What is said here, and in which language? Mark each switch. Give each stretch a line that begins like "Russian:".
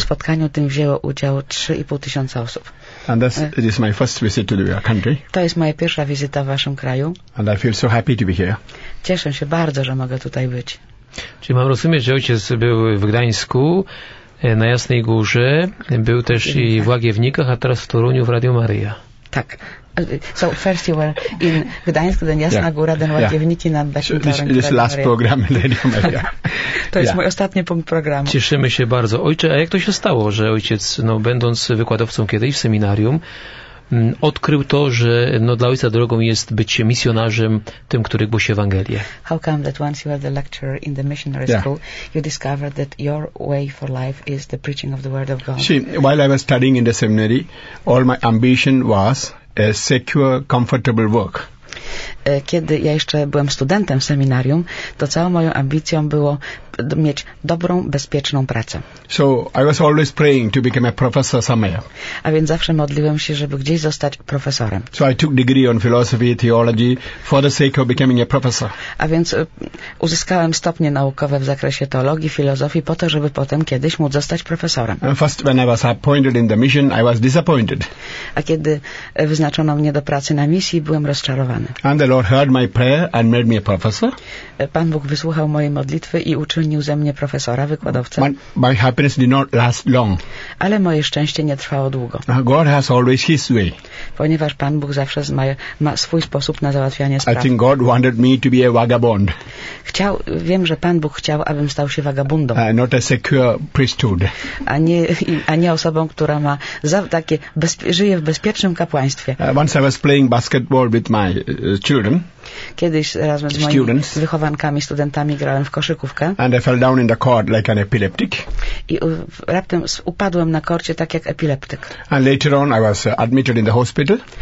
Polish: W tym wzięło udział 3,5 tysiąca osób.
English: And this is my first visit to your country.
Polish: To jest moja pierwsza wizyta w waszym kraju.
English: And I feel so happy to be here.
Polish: Cieszę się bardzo, że mogę tutaj być. Czyli mam rozumieć, że ojciec był w Gdańsku, na Jasnej Górze, był też i w Łagiewnikach, a teraz w Toruniu w Radio Maryja. Tak.
English: So first you were in Gdańsk, then Jasna Góra, then Łagiewniki nad Bekintorem. This last program in Radio Maryja.
Polish: To jest mój ostatni punkt programu. Cieszymy się bardzo. Ojcze, a jak to się stało, że ojciec, no będąc wykładowcą kiedyś w seminarium, odkrył to, że no, dla ojca drogą jest być misjonarzem, tym, który głosi Ewangelię.
English: How come that once you were the lecturer in the missionary school, you discovered that your way for life is the preaching of the word of God? See, while I was studying in the seminary, all my ambition was a secure, comfortable work.
Polish: Kiedy ja jeszcze byłem studentem w seminarium, to całą moją ambicją było mieć dobrą, bezpieczną pracę.
English: So I was always praying to become a professor somewhere.
Polish: A więc zawsze modliłem się, żeby gdzieś zostać profesorem.
English: So I took degree on philosophy, theology for the sake of becoming a professor.
Polish: A więc uzyskałem stopnie naukowe w zakresie teologii, filozofii po to, żeby potem kiedyś móc zostać profesorem.
English: And first when I was appointed in the mission, I was disappointed.
Polish: A kiedy wyznaczono mnie do pracy na misji, byłem rozczarowany.
English: And the Lord heard my prayer and made me a professor.
Polish: Pan Bóg wysłuchał mojej modlitwy i uczynił ze mnie profesora, wykładowcę.
English: My happiness did not last long.
Polish: Ale moje szczęście nie trwało długo.
English: God has always his way.
Polish: Ponieważ Pan Bóg zawsze ma swój sposób na załatwianie spraw.
English: I think God wanted me to be a vagabond.
Polish: Wiem, że Pan Bóg chciał, abym stał się wagabundą.
English: Not a secure priesthood.
Polish: A nie osobą, która ma żyje w bezpiecznym kapłaństwie.
English: Once I was playing basketball with my children.
Polish: Kiedyś razem z moimi wychowankami, studentami grałem w koszykówkę.
English: And I fell down in the court like an epileptic.
Polish: I raptem upadłem na korcie tak jak epileptyk.
English: And later on I was admitted in the hospital.